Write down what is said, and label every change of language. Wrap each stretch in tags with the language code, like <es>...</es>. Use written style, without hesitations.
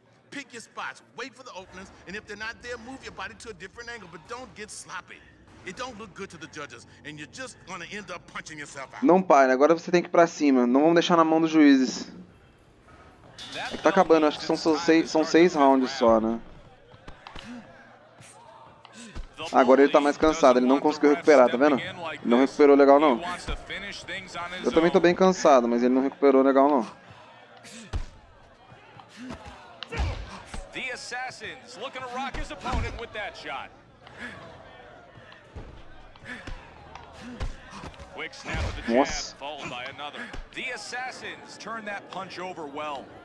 <en>Pick your spots, wait for the openings, and if they're not there, move your body to a different angle, but don't get sloppy. It don't look good to the judges, and you're just gonna end up punching yourself out.</en> <pt>Não pare, agora você tem que ir pra cima. Não vamos deixar na mão dos juízes. É que tá acabando, acho que são seis rounds só, né? Agora ele tá mais cansado, ele não conseguiu recuperar, tá vendo? Ele não recuperou legal, não. Eu também tô bem cansado, mas ele não recuperou legal, não.</pt> <en>The assassins looking to rock his opponent with that shot. Quick snap of the jab, followed by another. The assassins turn that punch over well.</en>